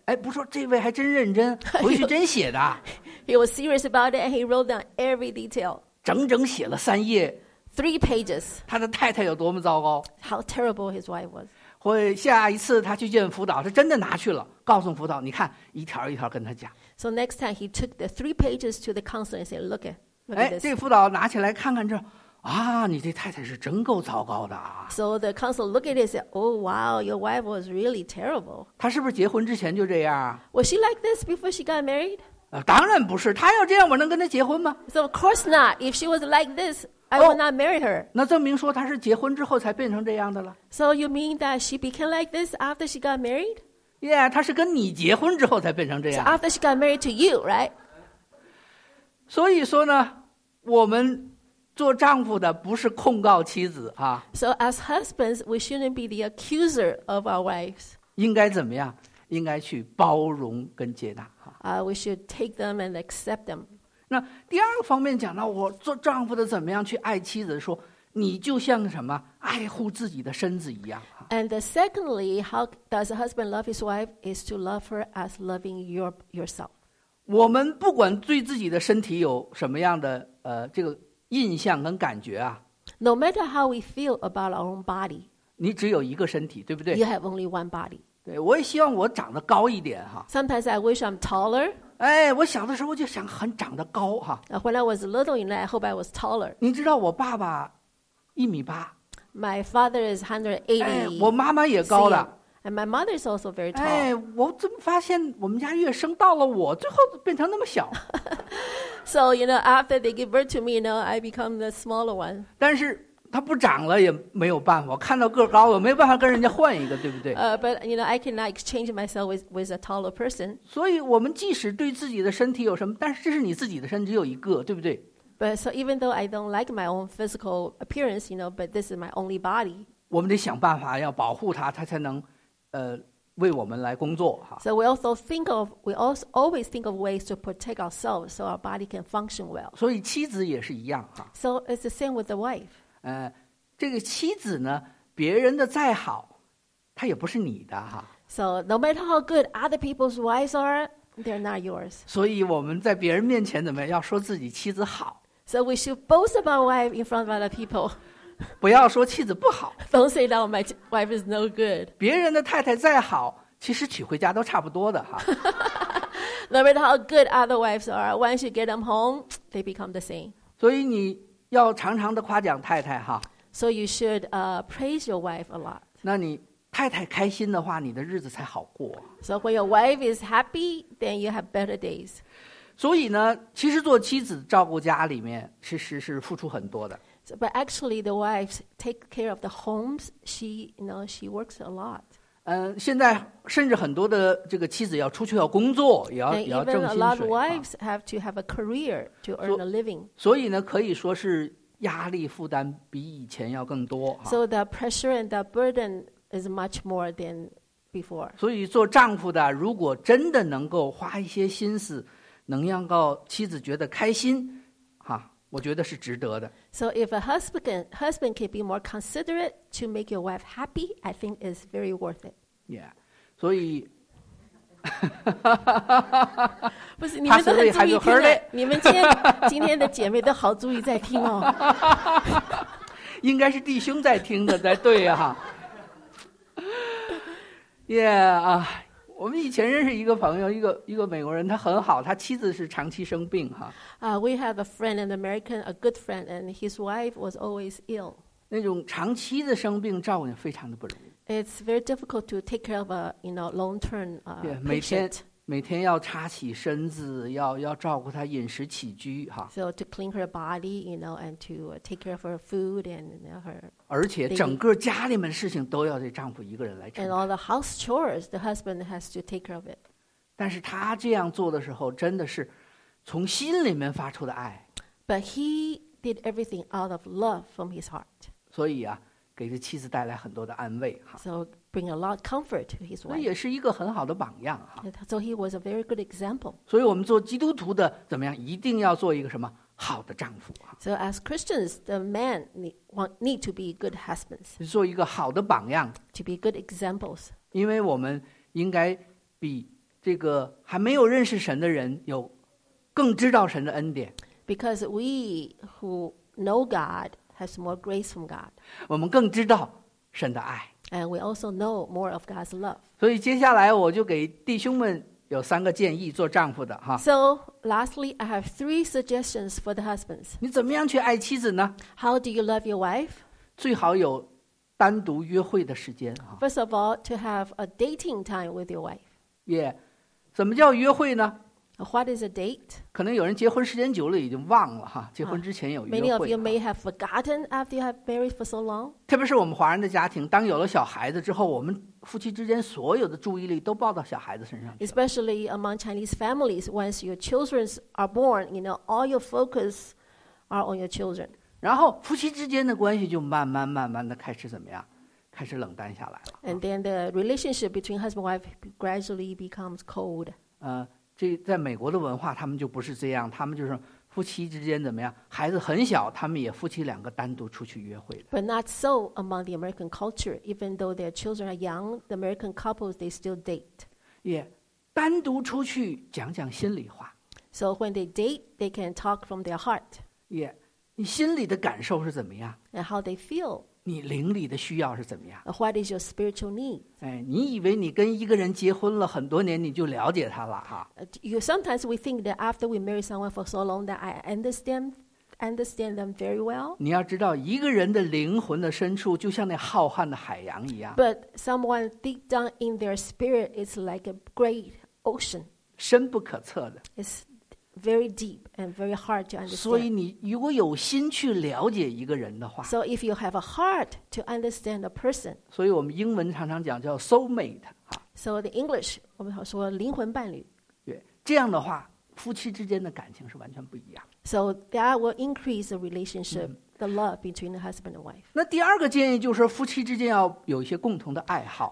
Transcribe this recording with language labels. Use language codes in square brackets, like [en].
[zh] 哎，不说这位还真认真，回去真写的。 [en] He was serious about it, and he wrote down every detail. [zh] 整整写了三页 [en] ，three pages. [zh] 他的太太有多么糟糕 [en] ？How terrible his wife was. [zh] 会下一次他去见辅导，他真的拿去了，告诉辅导，你看一条一条跟他讲。 [en] So next time he took the three pages to the counselor and said, "Look at." [zh] 哎，这辅导拿起来看看这，啊，你这太太是真够糟糕的啊。 [en] So the counselor looked at it and said, "Oh, wow, your wife was really terrible." [zh] 她是不是结婚之前就这样 [en] ？Was she like this before she got married? [zh] 当然不是。她要这样，我能跟她结婚吗 [en] ？So of course not. If she was like this, I would not marry her. [zh] 那证明说她是结婚之后才变成这样的了。 [en] So you mean that she became like this after she got married? [zh] Yeah, 她是跟你结婚之后才变成这样。 [en] So after she got married to you, right? [zh] 所以说呢，我们做丈夫的不是控告妻子啊。 [en] So as husbands, we shouldn't be the accuser of our wives. [zh] 应该怎么样？应该去包容跟接纳啊。 [en] We should take them and accept them. [zh] 那第二个方面讲到，我做丈夫的怎么样去爱妻子？说你就像什么爱护自己的身子一样。 [en] And the secondly, how does a husband love his wife? Is to love her as loving yourself. [zh] 我们不管对自己的身体有什么样的这个印象跟感觉啊 [en] ，No matter how we feel about our own body， [zh] 你只有一个身体，对不对 [en] ？You have only one body。 [zh] 对，我也希望我长得高一点哈。 [en] Sometimes I wish I'm taller。 [zh] 哎，我小的时候就想很长得高哈。 [en] When I was little, you know, I hope I was taller。 [zh] 你知道我爸爸一米八 [en] ，My father is 180。 [zh] 哎，我妈妈也高的。 [en] And my mother is also very tall. [zh] 哎，我怎么发现我们家越生到了我，最后变成那么小。 [en] So you know, after they give birth to me, you know, I become the smaller one. [zh] 但是他不长了也没有办法，看到个高的没办法跟人家换一个，对不对？ [en] But you know, I cannot exchange myself with a taller person. [zh] 所以我们即使对自己的身体有什么，但是这是你自己的身体，只有一个，对不对 [en] ？But so even though I don't like my own physical appearance, you know, but this is my only body. [zh] 我们得想办法要保护他，他才能。为我们来工作哈。 [en] So we also think of, we also always think of ways to protect ourselves so our body can function well. [zh] 所以妻子也是一样哈。 [en] So it's the same with the wife. [zh] 这个妻子呢，别人的再好，她也不是你的哈。 [en] So no matter how good other people's wives are, they're not yours. [zh] 所以我们在别人面前怎么样，要说自己妻子好。 [en] So we should boast about wife in front of other people. [zh] 不要说妻子不好。 [en] Don't say that my wife is no good. [zh] 别人的太太再好，其实娶回家都差不多的哈。 [en] No matter how good other wives are, once you get them home, they become the same. [zh] 所以你要常常的夸奖太太哈。 [en] So you should praise your wife a lot. [zh] 那你太太开心的话，你的日子才好过。 [en] So when your wife is happy, then you have better days. [zh] 所以呢，其实做妻子照顾家里面，其实是付出很多的。 [en] So, but actually, the wives take care of the homes. She, you know, she works a lot. [zh] 现在甚至很多的这个妻子要出去要工作，也要挣薪水。 [en] And even a lot of wives have to have a career to earn a living. [zh] 所以呢，可以说是压力负担比以前要更多。 [en] So the pressure and the burden is much more than before. [zh] 所以做丈夫的，如果真的能够花一些心思，能让妻子觉得开心，哈。我觉得是值得的。 [en] So if a husband can be more considerate to make your wife happy, I think it's very worth it. [zh] Yeah. 所以，不是你们都很注意听的，你们今天的姐妹都好注意在听哦。应该是弟兄在听的才对啊。 Yeah 啊，我们以前认识一个朋友，一个美国人，他很好，他妻子是长期生病哈。 [en] We have a friend, an American, a good friend, and his wife was always ill. [zh] 那种长期的生病，照顾非常的不容易。 [en] It's very difficult to take care of a, you know, long-term patient. [zh] 每天要擦洗身子，要照顾他饮食起居哈。 [en] So to clean her body, you know, and to take care of her food and you know, her. [zh] 而且整个家里面的事情都要这丈夫一个人来承担。 [en] And all the house chores, the husband has to take care of it. [zh] 但是他这样做的时候，真的是从心里面发出的爱。 [en] But he did everything out of love from his heart. [zh] 所以啊，给这妻子带来很多的安慰哈。 [en] So. Bring a lot of comfort to his wife. [zh] 那也是一个很好的榜样哈。 [en] So he was a very good example. [zh] 所以我们做基督徒的怎么样？一定要做一个什么好的丈夫哈。 [en] So as Christians, the man need to be good husbands. [zh] 做一个好的榜样。 [en] To be good examples. [zh] 因为我们应该比这个还没有认识神的人有更知道神的恩典。 [en] Because we who know God has more grace from God. [zh] 我们更知道神的爱。 [en] And we also know more of God's love. [zh] 所以接下来我就给弟兄们有三个建议，做丈夫的哈。 [en] So lastly, I have three suggestions for the husbands. [zh] 你怎么样去爱妻子呢？ [en] How do you love your wife? [zh] 最好有单独约会的时间。 [en] First of all, to have a dating time with your wife. [zh] Yeah. 怎么叫约会呢？ [en] What is a date? [zh] 可能有人结婚时间久了已经忘了哈，结婚之前有约会。 [en] Many of you may have forgotten after you have married for so long. [zh] 特别是我们华人的家庭，当有了小孩子之后，我们夫妻之间所有的注意力都抱到小孩子身上。 [en] Especially among Chinese families, once your children are born, you know, all your focus are on your children. [zh] 然后夫妻之间的关系就慢慢慢慢的开始怎么样？开始冷淡下来了。 [en] And then the relationship between husband and wife gradually becomes cold. [zh] 这在美国的文化他们就不是这样，他们就是夫妻之间怎么样，孩子很小他们也夫妻两个单独出去约会的。 [en] But not so among the American culture. Even though their children are young, the American couples, they still date. [zh] Yeah, 单独出去讲讲心里话。 [en] So when they date, they can talk from their heart. [zh] Yeah, 你心里的感受是怎么样？ [en] And how they feel. [zh] 你灵里的需要是怎么样？ [en] What is your spiritual need? [zh] 你以为你跟一个人结婚了很多年你就了解他了哈。 [en] Sometimes we think that after we marry someone for so long that I understand them very well. [zh] 你要知道一个人的灵魂的深处就像那浩瀚的海洋一样。 [en] But someone deep down in their spirit is like a great ocean. [zh] 深不可测的。 [en] It's very deep and very hard to understand. [zh] 所以你如果有心去了解一个人的话。 [en] So if you have a heart to understand a person. [zh] 所以我们英文常常讲叫 [en] soul mate. So the English, [zh] 我们说灵魂伴侣。对，这样的话夫妻之间的感情是完全不一样。 [en] So that will increase the relationship, the love between the husband and wife. [zh] 那第二个建议就是夫妻之间要有一些共同的爱好。